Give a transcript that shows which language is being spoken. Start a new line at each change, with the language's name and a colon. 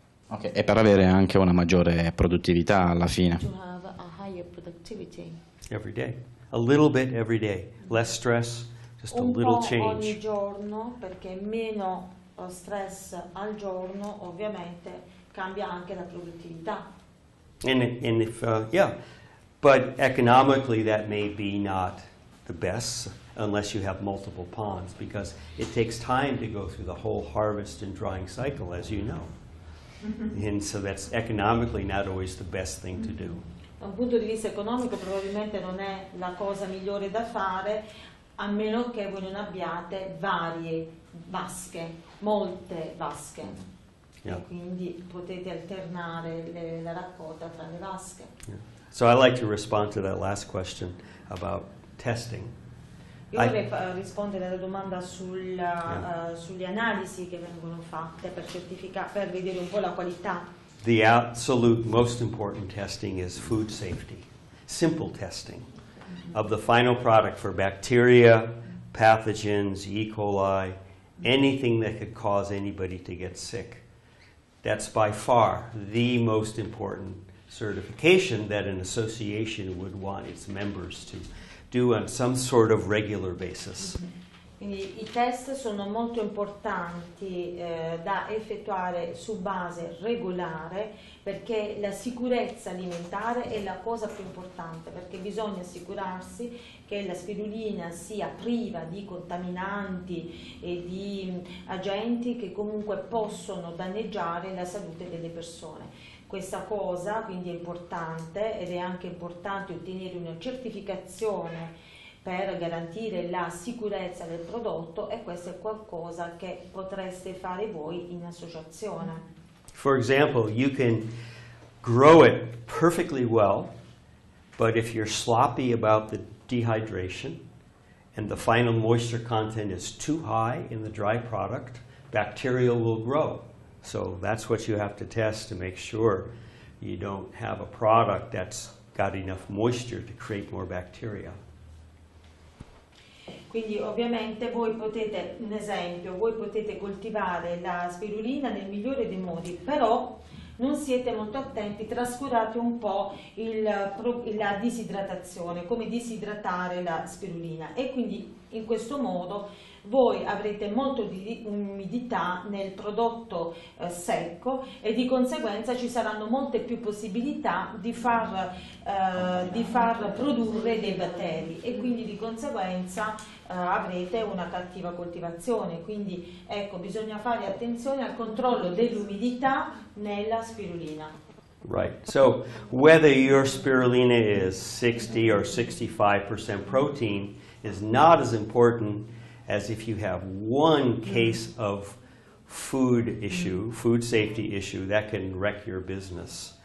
Italian: Ok, e per avere anche una maggiore produttività alla fine.
English: To have a higher productivity. Every day. A little bit every day. Less stress, just a little change.
Italian: Un po' ogni giorno, perché meno stress al giorno ovviamente cambia anche la produttività.
English: And if yeah, but economically that may be not the best unless you have multiple ponds, because it takes time to go through the whole harvest and drying cycle, as you know. Mm-hmm. And so that's economically not always the best thing to do.
Italian: Da un punto di vista economico probabilmente non è la cosa migliore da fare, a meno che voi non abbiate varie vasche, molte vasche. Yeah. E quindi potete alternare la raccolta tra le vasche. Yeah.
English: So I like to respond to that last question about testing.
Italian: Rispondere alla domanda sulle analisi che vengono fatte per certificare, per vedere un po' la qualità.
English: The absolute most important testing is food safety. Simple testing of the final product for bacteria, pathogens, E. coli, anything that could cause anybody to get sick. That's by far the most important certification that an association would want its members to do on some sort of regular basis.
Italian: Quindi i test sono molto importanti da effettuare su base regolare, perché la sicurezza alimentare è la cosa più importante, perché bisogna assicurarsi che la spirulina sia priva di contaminanti e di agenti che comunque possono danneggiare la salute delle persone. Questa cosa quindi è importante, ed è anche importante ottenere una certificazione per garantire la sicurezza del prodotto, e questo è qualcosa che potreste fare voi in associazione.
English: For example, you can grow it perfectly well, but if you're sloppy about the dehydration and the final moisture content is too high in the dry product, bacteria will grow. So that's what you have to test to make sure you don't have a product that's got enough moisture to create more bacteria.
Italian: Quindi ovviamente voi potete, un esempio, voi potete coltivare la spirulina nel migliore dei modi, però non siete molto attenti, trascurate un po' la disidratazione, come disidratare la spirulina, e quindi in questo modo voi avrete molto di umidità nel prodotto secco, e di conseguenza ci saranno molte più possibilità di far produrre dei batteri, e quindi di conseguenza avrete una cattiva coltivazione. Quindi ecco, bisogna fare attenzione al controllo dell'umidità nella spirulina.
English: Right, so whether your spirulina is 60 or 65% protein is not as important as if you have one case of food issue, food safety issue, that can wreck your business.